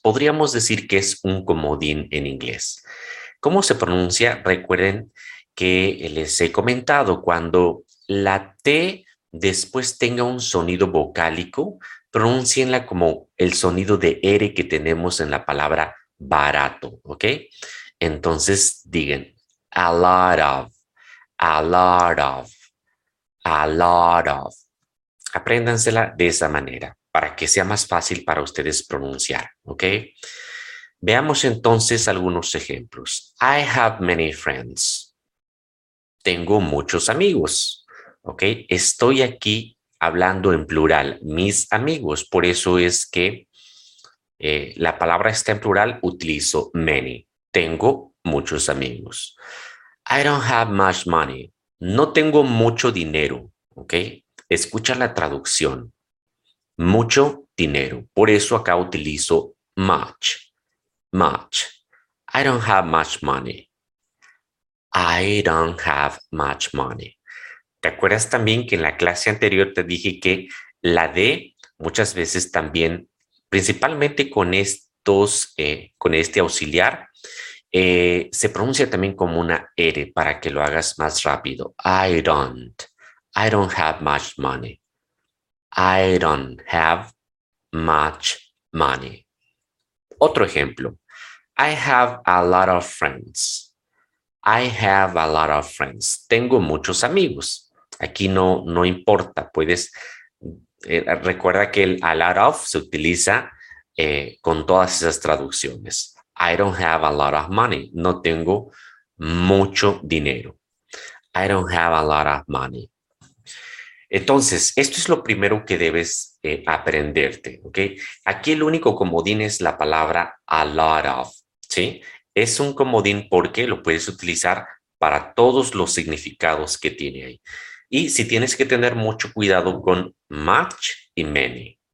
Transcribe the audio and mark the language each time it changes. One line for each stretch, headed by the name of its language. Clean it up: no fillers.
Spanish: Podríamos decir que es un comodín en inglés. ¿Cómo se pronuncia? Recuerden que les he comentado, cuando la T después tenga un sonido vocálico, pronúncienla como el sonido de R que tenemos en la palabra barato, ¿ok? Entonces digan a lot of, a lot of, a lot of. Apréndansela de esa manera, para que sea más fácil para ustedes pronunciar, ¿ok? Veamos entonces algunos ejemplos.
English: I have many friends.
Spanish: Tengo muchos amigos, ¿ok? Estoy aquí hablando en plural, mis amigos. Por eso es que la palabra está en plural, utilizo many. Tengo muchos amigos.
English: I don't have much money.
Spanish: No tengo mucho dinero, ¿ok? Escucha la traducción. Mucho dinero. Por eso acá utilizo much. Much.
English: I don't have much money. I don't have much money.
Spanish: ¿Te acuerdas también que en la clase anterior te dije que la D muchas veces también, principalmente con estos, con este auxiliar, se pronuncia también como una R para que lo hagas más rápido?
English: I don't have much money. I don't have much money.
Spanish: Otro ejemplo.
English: I have a lot of friends. I have a lot of friends.
Spanish: Tengo muchos amigos. Aquí no importa. Puedes recuerda que el a lot of se utiliza con todas esas traducciones.
English: I don't have a lot of money.
Spanish: No tengo mucho dinero.
English: I don't have a lot of money.
Spanish: Entonces, esto es lo primero que debes aprenderte, ¿ok? Aquí el único comodín es la palabra a lot of, ¿sí? Es un comodín porque lo puedes utilizar para todos los significados que tiene ahí. Y si tienes que tener mucho cuidado con much y many.